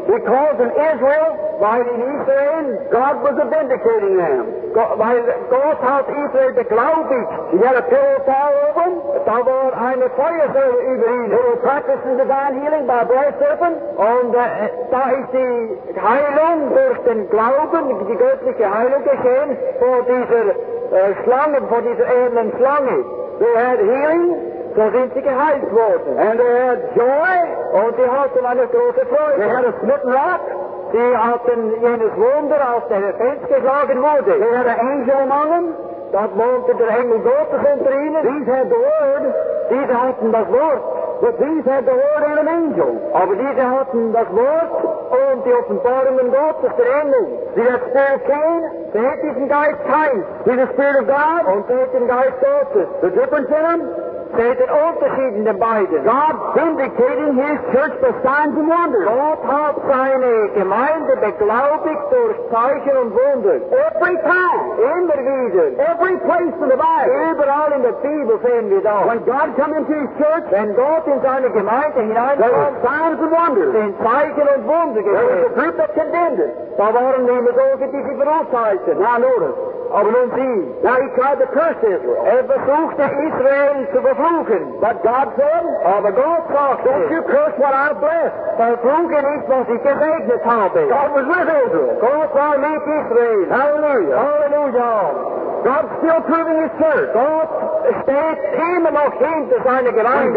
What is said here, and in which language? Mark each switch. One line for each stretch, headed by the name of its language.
English: Because in Israel,
German: weil in Israel,
English: God was vindicating them.
German: Gott hat Israel beglaubigt.
English: He had a pillow of fire over him.
German: Da war eine Feuersäule über ihn.
English: They were practicing divine healing by blood serpent.
German: Und da ist die Heilung durch den Glauben, die göttliche Heilung geschehen vor dieser Schlange, vor dieser elenden Schlange.
English: They had healing.
German: So sind sie geheilt worden.
English: And they had joy.
German: Und sie hatten eine große Freude.
English: They had a smitten rock.
German: Sie hatten jenes Wunder, auf der Fels geschlagen wurde.
English: They had an angel among them.
German: Dort wohnte der Engel Gottes unter ihnen.
English: These had the word.
German: Diese hatten das Wort.
English: But these had the word and an angel.
German: Aber diese hatten das Wort und die Offenbarungen Gottes, der Engel. Sie hat Spirit Cain. Sie hat diesen Geist Cain. Sie hat
English: Spirit of God.
German: Und sie hat den Geist Gottes.
English: The difference in them?
German: Sie hat den Unterschied in den beiden.
English: God vindicating his church by signs and wonders.
German: Gott hat seine Gemeinde beglaubigt durch Zeichen und Wunder.
English: Every time.
German: Immer wieder.
English: Every place in the Bible.
German: Überall in der Bibel sehen wir das.
English: When God comes into his church,
German: wenn Gott in seine Gemeinde hineinkommt,
English: signs and wonders.
German: In Zeichen und Wunder geschehen.
English: There was a group that condemned it.
German: Da waren nämlich solche, die sie verurteilten.
English: Now notice.
German: Aber nun sieh.
English: Now he tried to curse Israel.
German: Er versuchte Israel zu verfluchen.
English: But God said,
German: aber Gott sagte,
English: don't you curse what I've blessed.
German: Verfluche nicht, was ich gesegnet habe.
English: God was with Israel.
German: Gott war mit Israel. Hallelujah. Hallelujah.
English: God's still proving his church.
German: Gott steht immer noch hinter seiner Gemeinde.